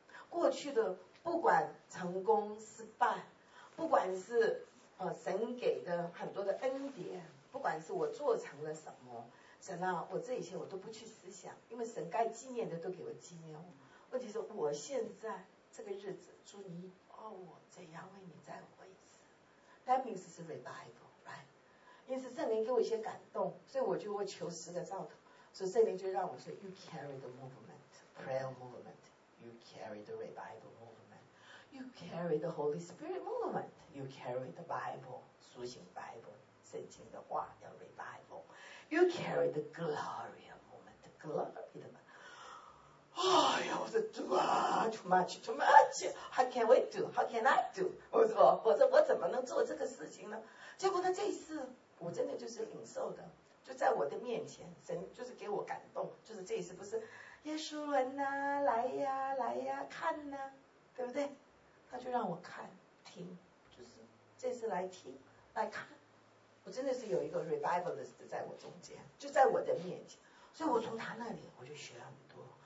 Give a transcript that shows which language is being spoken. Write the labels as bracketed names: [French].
[Chinese] 过去的不管成功失败，不管是神给的很多的恩典，不管是我做成了什么，神啊，我这一切我都不去思想，因为神该纪念的都给我纪念。问题是我现在这个日子，主你要我怎样为你再活？ [English] That means is revival, right? [Chinese] 因此圣灵给我一些感动，所以我求十个兆头，所以圣灵就让我说 [English] You carry the movement, prayer movement. You carry the revival movement. You carry the Holy Spirit movement. You carry the Bible, [Chinese] 苏醒 [English] Bible, [Chinese] 圣经的话要 [English] revival. You carry the glory movement, glory [Chinese] 的嘛。哎呀，我说 [English] too much, how can we do, how can I do? [Chinese] 我说我怎么能做这个事情呢？结果呢，这一次我真的就是领受的，就在我的面前，神就是给我感动，就是这一次不是耶稣伦呐、啊，来呀，看呐、啊，对不对？他就让我看听，就是这次来听来看，我真的是有一个 revivalist 在我中间，就在我的面前，所以我从他那里我就学了很多。